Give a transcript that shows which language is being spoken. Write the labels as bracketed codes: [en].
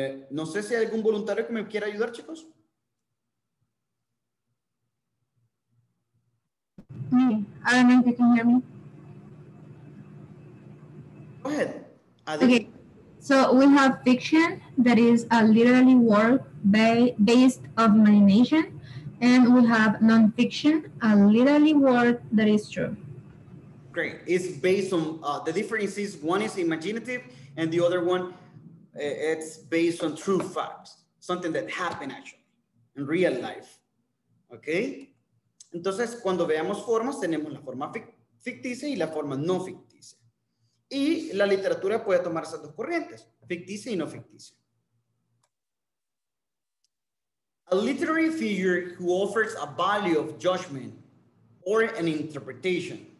[es] No sé si hay algún voluntario que me quiera ayudar, chicos. [en] Okay, I don't know if you can hear me. Go ahead. Okay, so we have fiction that is a literary work based on imagination, and we have nonfiction, a literary work that is true. Great. It's based on the difference is one is imaginative, and the other one it's based on true facts, something that happened actually in real life. Okay. [es] Entonces, cuando veamos formas, tenemos la forma ficticia y la forma no ficticia. Y la literatura puede tomar esas dos corrientes, ficticia y no ficticia. [en] A literary figure who offers a value of judgment or an interpretation.